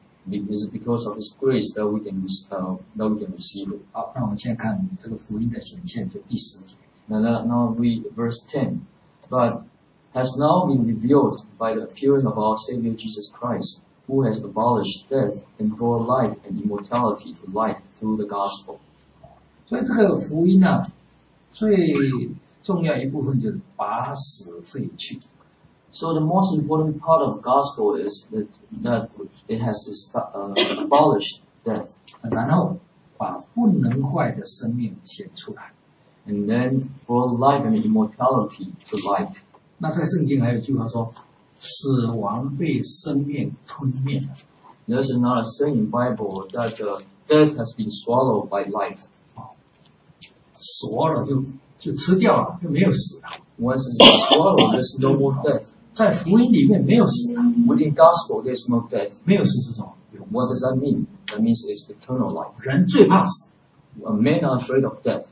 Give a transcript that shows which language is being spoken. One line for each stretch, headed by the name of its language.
English: It's because of his grace that we can receive it.
Chinese: 好，那我们现在看这个福音的显现，就第十节。
English: Now read verse 10. But has now been revealed by the appearing of our Savior Jesus Christ, who has abolished death and brought life and immortality to light through the gospel.
Chinese: 所以这个福音啊，最重要一部分就是把死废去。
English: So the most important part of gospel is that it has abolished death.
Chinese: 然后把不能坏的生命显出来。
English: And then brought life and immortality to light.
Chinese: 那在圣经还有句话说，死亡被生命吞灭了。
English: There's another saying in Bible that death has been swallowed by life.
Chinese: 锁了就吃掉了，就没有死了。
English: Once it's swallowed, there's no more death.
Chinese: 在福音里面没有死了。
English: Within gospel, there's no death.
Chinese: 没有死是什么
English: ？What does that mean? That means it's eternal life.
Chinese: 人最怕死。
English: A man are afraid of death.